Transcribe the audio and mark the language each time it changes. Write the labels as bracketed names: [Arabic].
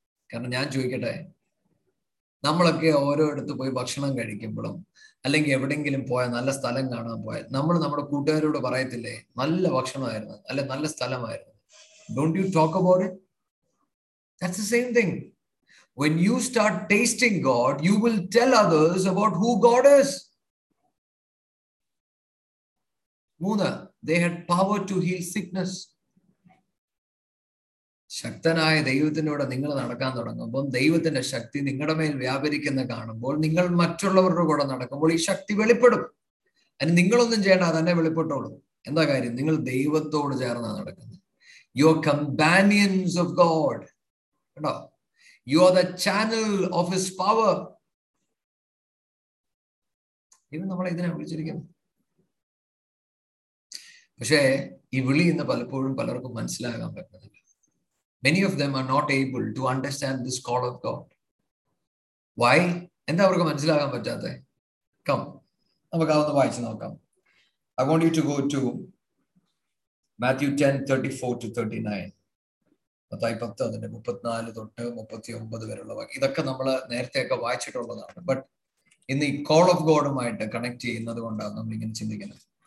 [Malayalam] കാരണം ഞാൻ ചോദിക്കട്ടെ, നമ്മളൊക്കെ ഓരോ അടുത്ത് പോയി ഭക്ഷണം കഴിക്കുമ്പോഴും അല്ലെങ്കിൽ എവിടെയെങ്കിലും പോയാൽ നല്ല സ്ഥലം കാണാൻ പോയാൽ നമ്മൾ നമ്മുടെ കൂട്ടുകാരോട് പറയത്തില്ലേ, നല്ല ഭക്ഷണമായിരുന്നു അല്ലെ, നല്ല സ്ഥലമായിരുന്നു. [English] Don't you talk about it? That's the same thing. When you start tasting God, you will tell others about who God is. Muna, they had power to heal sickness. [Malayalam] ശക്തനായ ദൈവത്തിനോട് നിങ്ങൾ നടക്കാൻ തുടങ്ങുമ്പോൾ ദൈവത്തിന്റെ ശക്തി നിങ്ങളുടെ മേൽ വ്യാപരിക്കുന്ന കാണുമ്പോൾ നിങ്ങൾ മറ്റുള്ളവരുടെ കൂടെ നടക്കുമ്പോൾ ഈ ശക്തി വെളിപ്പെടും. അതിന് നിങ്ങളൊന്നും ചെയ്യേണ്ട, തന്നെ വെളിപ്പെട്ടോളൂ. എന്താ കാര്യം? നിങ്ങൾ ദൈവത്തോട് ചേർന്നാണ് നടക്കുന്നത്. [English] Your companions of God. [Malayalam] കേട്ടോ, [English] you are the channel of his power. [Malayalam] ഇവ നമ്മൾ ഇതിനെ വിളിച്ചിരിക്കുന്നു. പക്ഷേ ഈ വിളി ഇന്ന് പലപ്പോഴും പലർക്കും മനസ്സിലാകാൻ പറ്റുന്നില്ല. [English] Many of them are not able to understand this call of God. Why? [Malayalam] എന്താ അവർക്ക് മനസ്സിലാകാൻ പറ്റാത്തത്? Come, നമുക്ക് അതൊന്ന് വായിച്ചു നോക്കാം. [English] I want you to go to Matthew 10:34-39. [Malayalam] Mathai പത്ത് അതിന്റെ 34 തൊട്ട് 39 വരെയുള്ള വാക്യം, ഇതൊക്കെ നമ്മൾ നേരത്തെയൊക്കെ വായിച്ചിട്ടുള്ളതാണ്. ബട്ട് ഇന്ന് ഈ കോൾ ഓഫ് ഗോഡുമായിട്ട് കണക്ട് ചെയ്യുന്നത് കൊണ്ടാണ് നമ്മൾ ഇങ്ങനെ ചിന്തിക്കുന്നത്.